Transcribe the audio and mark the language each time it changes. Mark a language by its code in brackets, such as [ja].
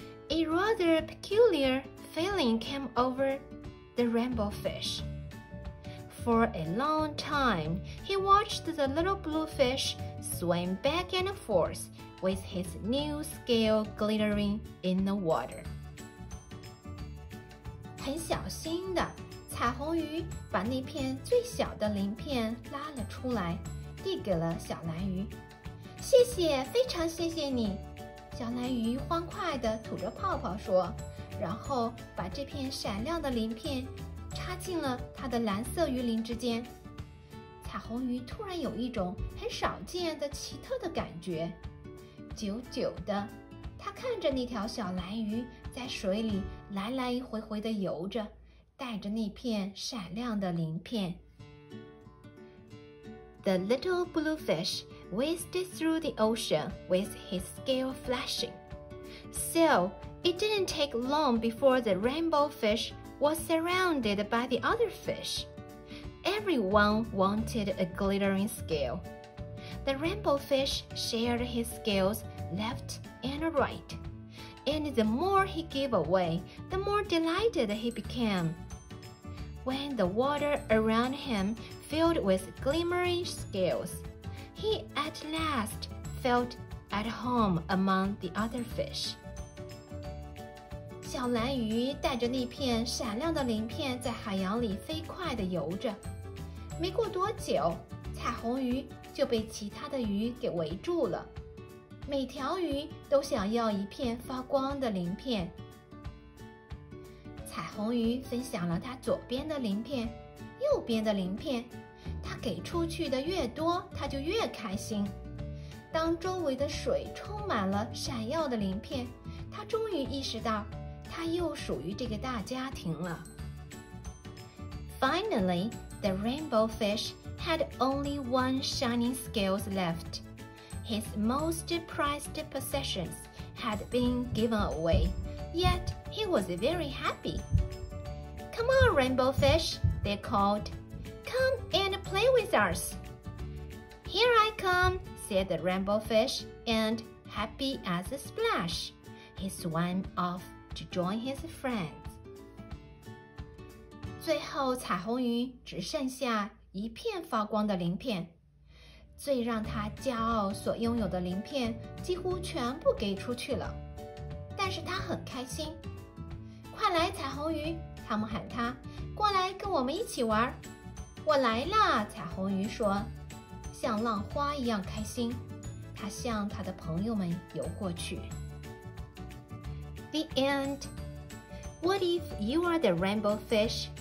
[en] A rather peculiar feeling came over the rainbow fish. For a long time, he watched the little blue fish swim back and forth with his new scale glittering in the water. [zh] 很小心的，彩虹鱼把那片最小的鳞片拉了出来，递给了小蓝鱼。谢谢，非常谢谢你。小蓝鱼欢快地吐着泡泡说，然后把这片闪亮的鳞片插进了它的蓝色鱼鳞之间。彩虹鱼突然有一种很少见的奇特的感觉，久久的，它看着那条小蓝鱼在水里来来回回地游着，带着那片闪亮的鳞片。 [en] The little blue fish whizzed through the ocean with his scale flashing. So, it didn't take long before the rainbow fish was surrounded by the other fish. Everyone wanted a glittering scale. The rainbow fish shared his scales left and right. And the more he gave away, the more delighted he became. When the water around him filled with glimmering scales, he at last felt at home among the other fish. [zh] 小蓝鱼带着那片闪亮的鳞片在海洋里飞快地游着。没过多久，彩虹鱼就被其他的鱼给围住了。每条鱼都想要一片发光的鳞片。彩虹鱼分享了它左边的鳞片，右边的鳞片，它给出去的越多，它就越开心。当周围的水充满了闪耀的鳞片，它终于意识到，它又属于这个大家庭了。 [en] Finally, the rainbow fish had only one shining scales left. His most prized possessions had been given away, yet he was very happy. Come on, rainbow fish, they called. Come and play with us. Here I come, said the rainbow fish, and happy as a splash, he swam off to join his friends. [zh] 最后彩虹鱼只剩下一片发光的鳞片，最让它骄傲所拥有的鳞片几乎全部给出去了，但是它很开心。快来彩虹鱼，汤姆喊它，过来跟我们一起玩。我来啦，彩虹鱼说，像浪花一样开心，它向它的朋友们游过去。 [en] The end. What if you are the rainbow fish?